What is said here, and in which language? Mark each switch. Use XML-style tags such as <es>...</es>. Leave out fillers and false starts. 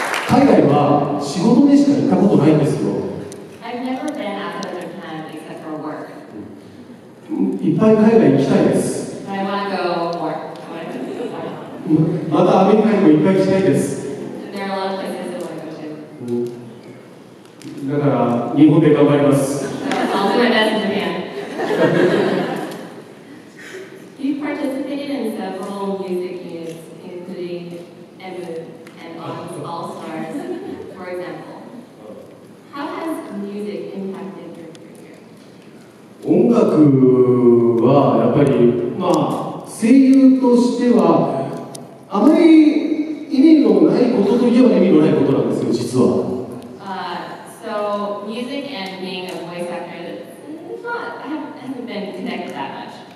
<ja>海外は仕事でしか行ったことないんですよ。</ja> <en>I've never been out of Japan except for work.</en> <ja>いっぱい海外行きたいです。</ja> <en>I want to go more.</en> <ja>またアメリカにもいっぱい行きたいです。</ja> <en>There are a lot of places I want to go to.</en> <ja>だから日本で頑張ります。</ja> <en>I'll do my best in Japan. You participated in several music news, including EVU and All Stars, for example. How has music impacted your career?</en> <ja>音楽はやっぱり声優としてはあまり意味のないことといえば意味のないことなんですよ、実は。</ja> <en>So music and being a voice actor hasn't been connected that much.</en>